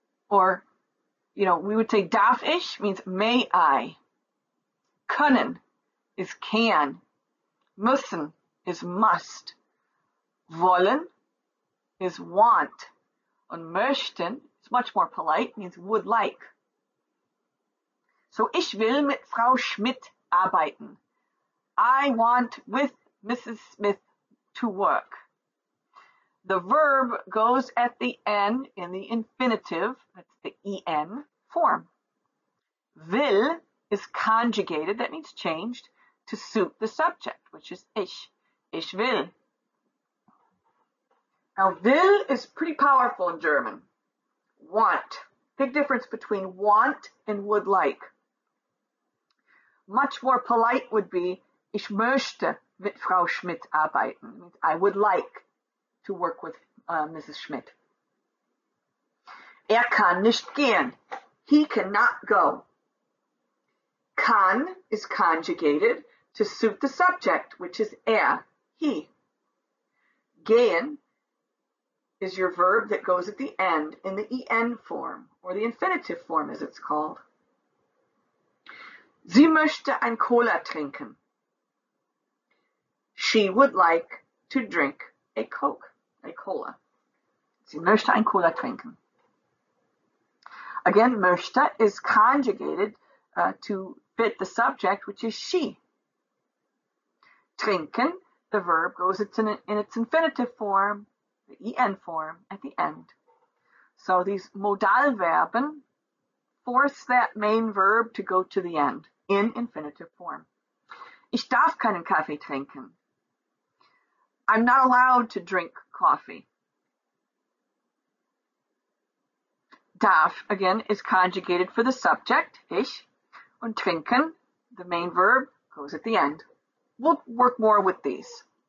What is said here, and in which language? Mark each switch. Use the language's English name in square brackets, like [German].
[English] Or, you know, we would say [German] darf ich [English] means may I. Können is can. Müssen is must. Wollen is want. And möchten is much more polite, means would like. [German] So, ich will mit Frau Schmidt arbeiten. [English] I want with Mrs. Smith to work. The verb goes at the N in the infinitive, that's the EN form. Will is conjugated, that means changed, to suit the subject, which is ich. [German] Ich will. [English] Now, will is pretty powerful in German. Want. Big difference between want and would like. Much more polite would be, [German] ich möchte mit Frau Schmidt arbeiten. [English] I would like to work with Mrs. Schmidt. [German] Er kann nicht gehen. [English] He cannot go. Kann is conjugated to suit the subject, which is er, he. Gehen is your verb that goes at the end in the en form, or the infinitive form as it's called. [German] Sie möchte ein Cola trinken. [English] She would like to drink a Coke, a Cola. [German] Sie möchte ein Cola trinken. [English] Again, möchte is conjugated to fit the subject, which is she. Trinken, the verb, goes in its infinitive form, the en form, at the end. So these Modalverben force that main verb to go to the end. In infinitive form. [German] Ich darf keinen Kaffee trinken. [English] I'm not allowed to drink coffee. Darf, again, is conjugated for the subject, ich. Und trinken, the main verb, goes at the end. We'll work more with these.